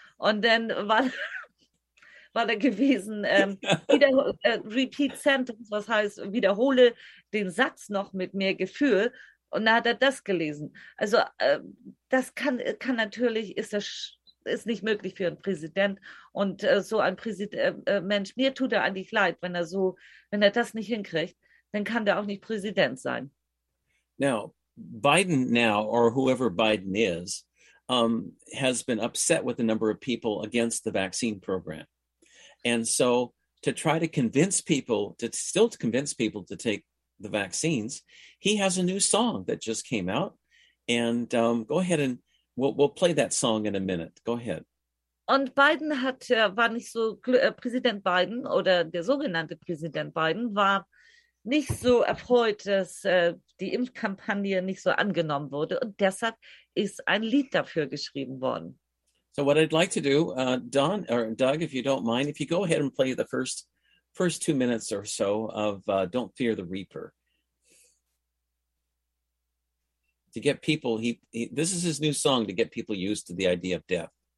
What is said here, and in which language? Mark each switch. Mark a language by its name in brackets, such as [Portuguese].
[German] Und dann war da gewesen, [English] repeat sentence, [German] was heißt, wiederhole den Satz noch mit mehr Gefühl. Und da hat er das gelesen. Also, das kann natürlich, ist nicht möglich für einen Präsident. Und so ein Präsident, Mensch, mir tut er eigentlich leid, wenn er das nicht hinkriegt, dann kann der auch nicht Präsident sein. [English] Now, Biden now, or whoever Biden is, has been upset with a number of people against the vaccine program. And so to try to convince people to still to convince people to take the vaccines, he has a new song that just came out. And go ahead and we'll play that song in a minute. Go ahead. [German] Und Biden hat war nicht so Präsident Biden oder der sogenannte Präsident Biden war nicht so erfreut, dass die Impfkampagne nicht so angenommen wurde. Und deshalb ist ein Lied dafür geschrieben worden. [English] So what I'd like to do, Don or Doug, if you don't mind, if you go ahead and play the first 2 minutes or so of "Don't Fear the Reaper," to get people he this is his new song to get people used to the idea of death.